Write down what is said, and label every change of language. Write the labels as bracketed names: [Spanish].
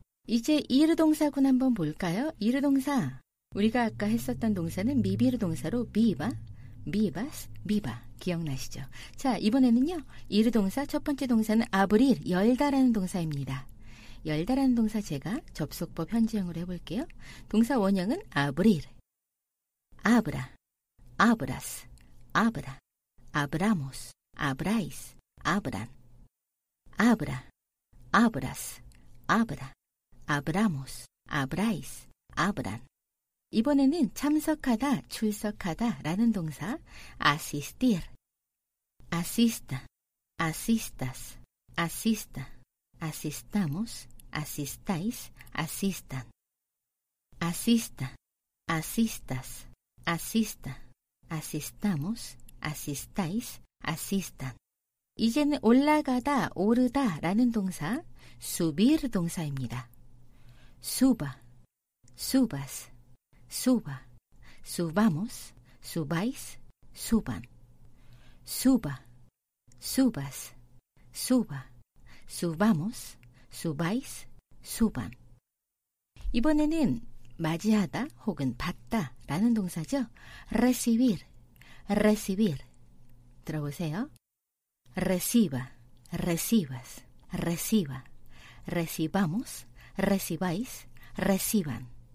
[Korean] 이제 이르 동사군 한번 볼까요? 이르 동사. 우리가 아까 했었던 동사는 비비르 동사로 비바. [Spanish] Vivas, viva. [Korean] 기억나시죠? 자, 이번에는요. 이르 동사, 첫 번째 동사는 abrir, 열다라는 동사입니다. 열다라는 동사 제가 접속법 현지형으로 해볼게요. 동사 원형은 abrir. [Spanish] Abra, abras, abra, abramos, abráis, abran. Abra, abras, abra, abramos, abráis, abran. [Korean] 이번에는 참석하다, 출석하다 라는 동사 assistir. [Spanish] Asista, asistas, asista, asistamos, asistáis, asistan. Asista, asistas, asista, asistamos, assistáis, assistan. [Korean] 이제는 올라가다, 오르다 라는 동사, subir 동사입니다. [Spanish] suba, subas, suba, subamos, subáis, suban. suba, subas, suba, subamos, subáis, suban. [Korean] 이번에는 맞이하다 혹은 받다 라는 동사죠. [Spanish] recibir, recibir. [Korean] 들어보세요. [Spanish] reciba, recibas, reciba, recibamos, recibáis, reciban.